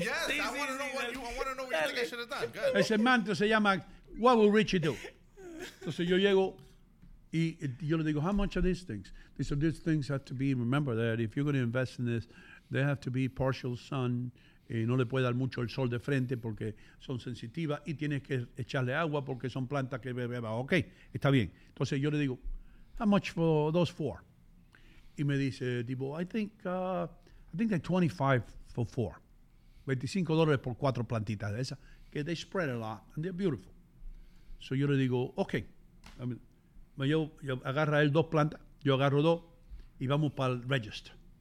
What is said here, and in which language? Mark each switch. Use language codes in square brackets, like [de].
[en] Yes, [es] sí, [en] I want to know what you want to know what you think I should have done. Good. [es] Ese manto se llama [en] What Will Richie Do? [es] Entonces yo llego y yo le digo, [en] how much are these things? They said, these things have to be, remember that if you're going to invest in this, they have to be partial sun. [es] No le puede dar mucho el sol de frente porque son sensitivas y tienes que echarle agua porque son plantas que beben agua. Ok, está bien. Entonces yo le digo, [en] how much for those four? [es] Y me dice, tipo, [en] I think they're 25 for four. [es] $25 por cuatro plantitas de esas. Que [en] they spread a lot and they're beautiful. [es] So yo le digo, ok. Yo agarro a él dos plantas, yo agarro dos y vamos para el register.